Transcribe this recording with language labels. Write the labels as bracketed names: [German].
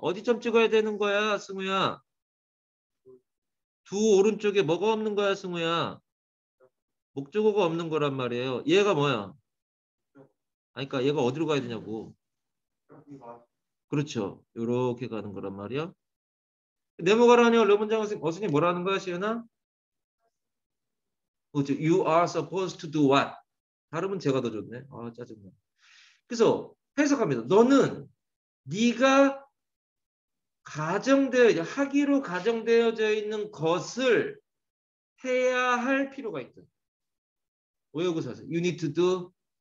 [Korean] 어디 점 찍어야 되는 거야, 승우야? 두 오른쪽에 뭐가 없는 거야, 승우야? 목적어가 없는 거란 말이에요. 얘가 뭐야? 아니, 그러니까 얘가 어디로 가야 되냐고. 그렇죠. 요렇게 가는 거란 말이야. 네모가로 아니요. 러문장 어순이 뭐라는 거야, 시윤아? [English] You are supposed to do what? [Korean] 발음은 제가 더 좋네. 아, 짜증나. 그래서 해석합니다. 너는 네가 가정되어 하기로 가정되어져 있는 것을 해야 할 필요가 있다. 왜 여기서 하세요? [English] You need to do